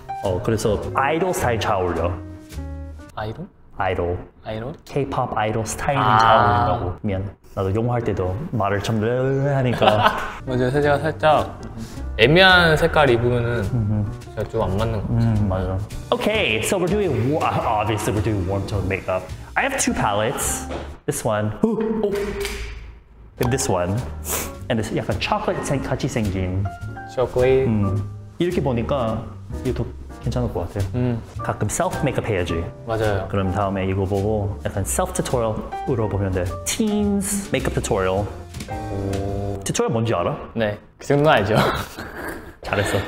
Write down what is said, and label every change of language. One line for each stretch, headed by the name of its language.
Korean: 어 그래서 아이돌 스타일 잘 어울려 아이돌? 아이돌 아이돌? K-pop 아이돌 스타일링 아~ 잘 어울린다고 미안 나도 용어할 때도 말을 참 하니까 먼저 세제가 살짝 애매한 색깔 입으면은 제가 좀 안 맞는 것 같아요 맞아
English: Okay, so we're doing obviously we're doing warm tone makeup I have two palettes This one And this one And this
Korean: 약간 초콜릿 같이 생긴 초콜릿 이렇게 보니까 이것도 괜찮을 것 같아요 가끔 셀프 메이크업 해야지 맞아요 그럼 다음에 이거 보고 약간 셀프 튜토리얼으로 보면 돼 Teens 메이크업 튜토리얼 튜토리얼 뭔지 알아? 네 그 정도는 알죠 잘했어